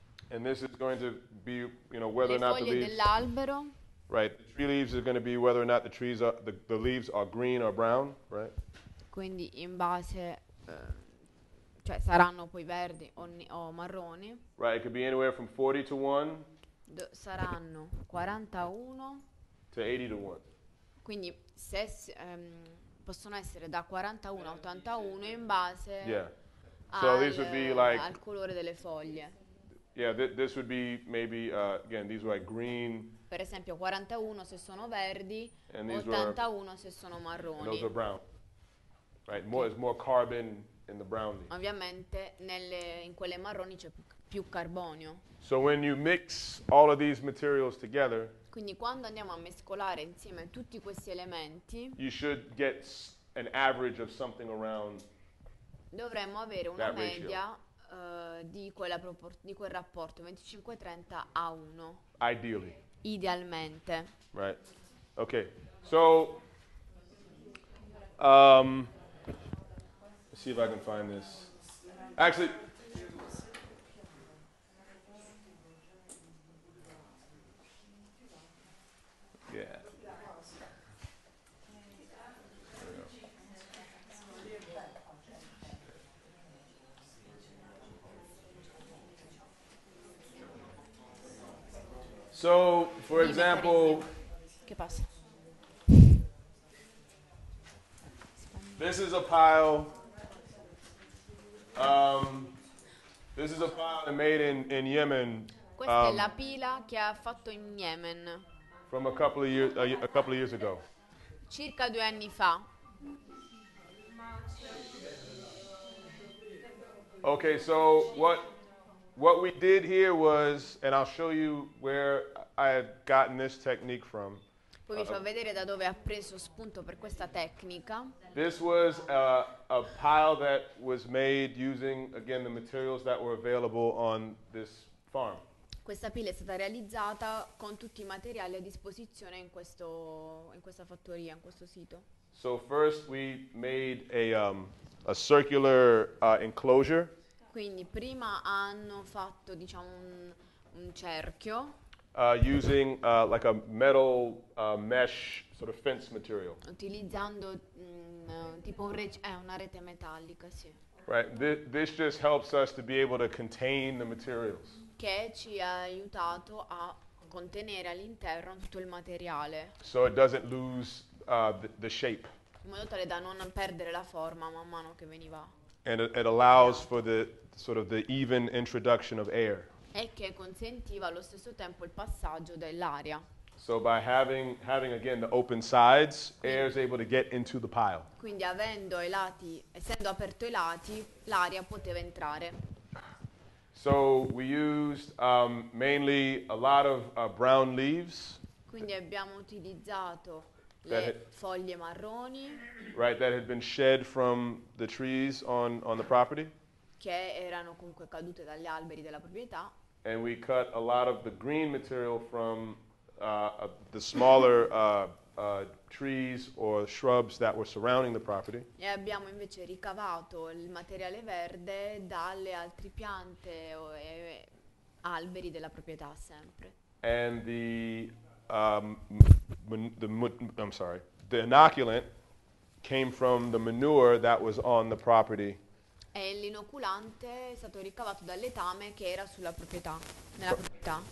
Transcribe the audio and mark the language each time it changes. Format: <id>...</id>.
<en>And this is going to be, you know, whether</en> <it>le</it> <en>or not the leaves.</en> <it>Dell'albero.</it> <en>Right, the tree leaves is going to be whether or not the trees are the leaves are green or brown, right?</en> <it>Quindi in base, cioè saranno poi verdi o marroni.</it> <en>Right, it could be anywhere from 40 to 1.</en> <it>Saranno 41.</it> <en>To 80 to 1.</en> <it>Quindi se possono essere da 41 a 81 in base.</it> <en>Yeah. So these would be like</en> <it>al colore delle foglie.</it> <en>Yeah, this would be maybe again these were like green.</en> <it>Per esempio 41 se sono verdi, 81 se sono marroni.</it> <en>Those are brown. Right, more is more carbon in the brown leaf.</en> <it>Ovviamente in quelle marroni c'è più carbonio.</it> <en>So when you mix all of these materials together,</en> <it>quindi quando andiamo a mescolare insieme tutti questi elementi,</it> <en>you should get an average of something around.</en> <it>Dovremmo avere una media di quel rapporto 25-30 a 1.</it> <en>Ideally.</en> <it>Idealmente.</it> <en>Right. Okay. So let's see if I can find this. Actually, so, for example,</en> <it>che passa?</it> <en>This is a pile. This is a pile made in Yemen.</en> <it>Questa è la pila che ha fatto in Yemen.</it> <en>From a couple of years ago.</en> <it>Circa due anni fa.</it> <en>Okay, so what we did here was, and I'll show you where I had gotten this technique from.</en> <it>Poi vi fa vedere da dove ha preso spunto per questa tecnica.</it> <en>This was a pile that was made using again the materials that were available on this farm.</en> <it>Questa pila è stata realizzata con tutti i materiali a disposizione in questa fattoria, in questo sito.</it> <en>So first we made a circular enclosure.</en> <it>Quindi prima hanno fatto, diciamo, un cerchio.</it> <en>Using like a metal mesh sort of fence material.</en> <it>Utilizzando tipo una rete metallica, sì.</it> <en>Right. This just helps us to be able to contain the materials.</en> <it>Che ci ha aiutato a contenere all'interno tutto il materiale.</it> <en>So it doesn't lose the shape.</en> <it>in modo tale da non perdere la forma man mano che veniva.</it> <en>And it allows for the sort of the even introduction of air.</en> <it>E che consentiva allo stesso tempo il passaggio dell'aria.</it> <en>So by having again the open sides, air is able to get into the pile.</en> <it>Quindi avendo i lati, essendo aperto i lati, l'aria poteva entrare.</it> <en>So we used mainly a lot of brown leaves.</en> <it>Quindi abbiamo utilizzato le foglie marroni.</it> <en>Right, that had been shed from the trees on the property.</en> <it>Che erano comunque cadute dagli alberi della proprietà.</it> <en>And we cut a lot of the green material from the smaller trees or shrubs that were surrounding the property.</en> <it>E abbiamo invece ricavato il materiale verde dalle altre piante o alberi della proprietà sempre.</it> <en>And the the inoculant came from the manure that was on the property.</en> <it>E l'inoculante è stato ricavato dal letame che era sulla proprietà, nella proprietà.</it>